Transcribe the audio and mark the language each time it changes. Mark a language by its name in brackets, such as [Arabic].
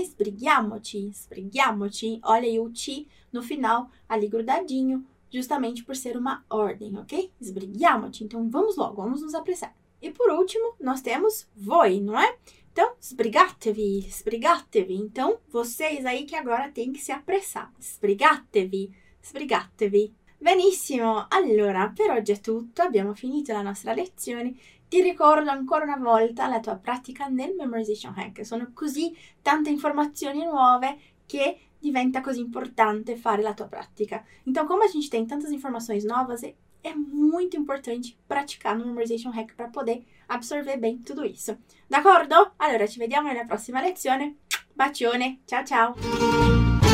[Italian] Sbrighiamoci, sbrighiamoci. [Portuguese] Olha aí o ti no final, ali grudadinho. Justamente por ser uma ordem, ok? [Italian] Sbrighiamoci. [Portuguese] Então, vamos logo, vamos nos apressar. E por último, nós temos voi, não é? Então, [Italian] sbrigatevi, sbrigatevi. [Portuguese] Então, vocês aí que agora têm que se apressar. [Italian] Sbrigatevi, sbrigatevi. Benissimo! Allora, per oggi è tutto, abbiamo finito la nostra lezione. Ti ricordo ancora una volta la tua pratica nel Memorization Hack. Sono così tante informazioni nuove che diventa così importante fare la tua pratica. [Portuguese] Então, como a gente tem tantas informações novas, é muito importante praticar no Memorization Hack para poder absorver bem tudo isso. [Italian] D'accordo? Allora, ci vediamo nella prossima lezione. Bacione! Ciao, ciao!